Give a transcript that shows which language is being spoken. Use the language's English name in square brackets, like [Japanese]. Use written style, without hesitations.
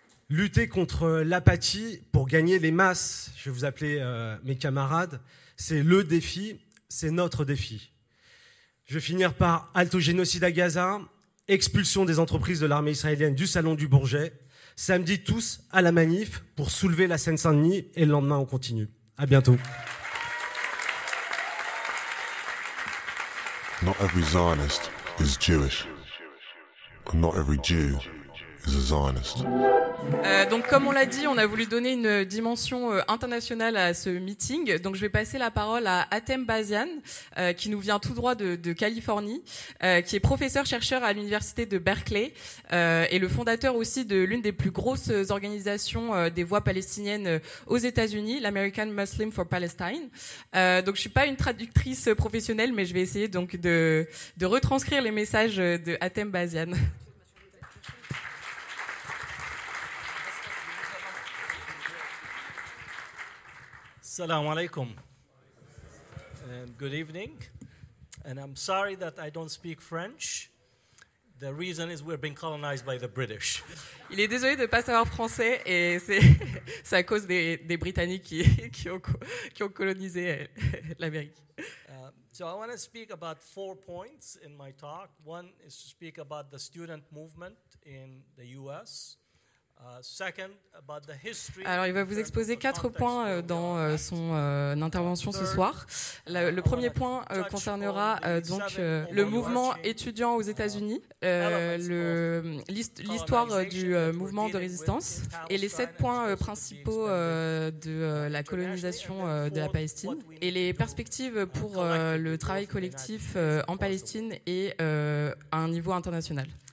[French] Lutter contre l'apathie pour gagner les masses, je vais vous appeler mes camarades, c'est le défi, c'est notre défi. Je vais finir par halte au génocide à Gaza, expulsion des entreprises de l'armée israélienne du Salon du Bourget, samedi tous à la manif pour soulever la Seine-Saint-Denis et le lendemain on continue. À bientôt. [English] Not every Zionist is Jewish, but not every Jew is a Zionist. [French] Donc comme on l'a dit, on a voulu donner une dimension internationale à ce meeting. Donc je vais passer la parole à Atem Bazian, qui nous vient tout droit de Californie, qui est professeur-chercheur à l'université de Berkeley et le fondateur aussi de l'une des plus grosses organisations des voix palestiniennes aux États-Unis, l'American Muslim for Palestine. Donc je ne suis pas une traductrice professionnelle, mais je vais essayer donc de retranscrire les messages de Atem Bazian. [English] Assalamu alaikum. And good evening. And I'm sorry that I don't speak French. The reason is we're being colonized by the British. [French] Il est désolé de ne pas savoir français et c'est à cause des Britanniques qui ont colonisé l'Amérique. [English] So I want to speak about four points in my talk. One is to speak about the student movement in the US. Second, about the history. [French] Alors, il va vous exposer quatre points dans son intervention ce soir. Le premier point concernera donc le mouvement étudiant aux États-Unis, l'histoire du mouvement de résistance et les sept points principaux de la colonisation de la Palestine et les perspectives pour le travail collectif en Palestine et à un niveau international.